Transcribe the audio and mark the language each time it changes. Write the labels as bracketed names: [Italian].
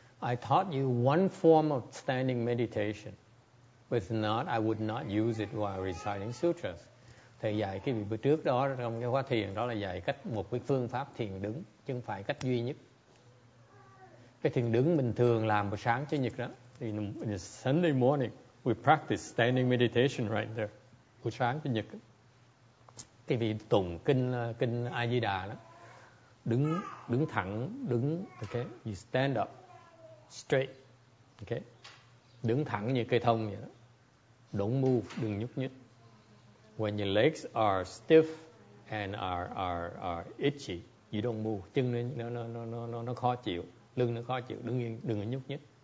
[English] I taught you one form of standing meditation. If not, I would not use it while reciting sutras. [Vietnamese] Thầy dạy cái bữa trước đó trong cái khóa thiền đó là dạy cách một cái phương pháp thiền đứng, chứ không phải cách duy nhất. Cái thiền đứng mình thường làm buổi sáng chủ nhật đó. [English] In Sunday morning, we practice standing meditation right there. [Vietnamese] Buổi sáng chủ nhật. Thì vì tụng kinh A Di Đà đó, đứng thẳng, đứng, okay, [English] you stand up straight, [Vietnamese] okay, đứng thẳng như cây thông vậy đó. [English] Don't move, [Vietnamese] đừng nhúc nhích. [English] When your legs are stiff and are itchy, you don't move. [Vietnamese] Chân nó khó chịu, lưng nó khó chịu, đứng yên, đừng nhúc nhích.